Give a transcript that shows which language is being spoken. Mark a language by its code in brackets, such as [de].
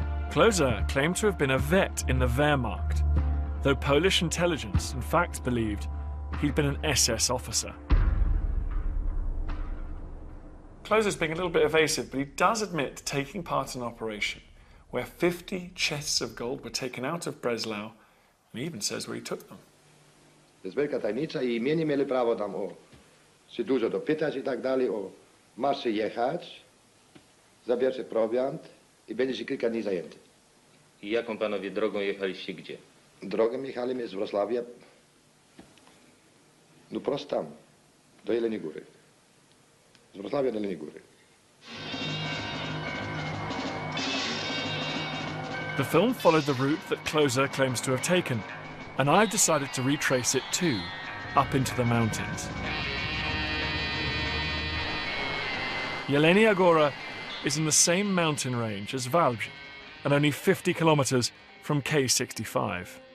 [en] Kloser claimed to have been a vet in the Wehrmacht, though Polish intelligence in fact believed he'd been an SS officer. Kloser's being a little bit evasive, but he does admit to taking part in an operation where 50 chests of gold were taken out of Breslau, and he even says where he took them. [pl] To jest wielka tajemnica i mnie nie mieli prawo tam o się dużo dopytać i tak dalej, o masz się jechać, zabierz się prowiant i będziesz się kilka dni zajęty. I jaką panowie drogą jechaliście gdzie? Drogą jechaliśmy z Wrocławia, no prosto tam, do Jeleniej Góry. Z Wrocławia do Jeleniej Góry. [en] The film followed the route that Kloser claims to have taken, and I've decided to retrace it too, up into the mountains. Jelenia Góra is in the same mountain range as Valbj, and only 50 kilometers from K-65.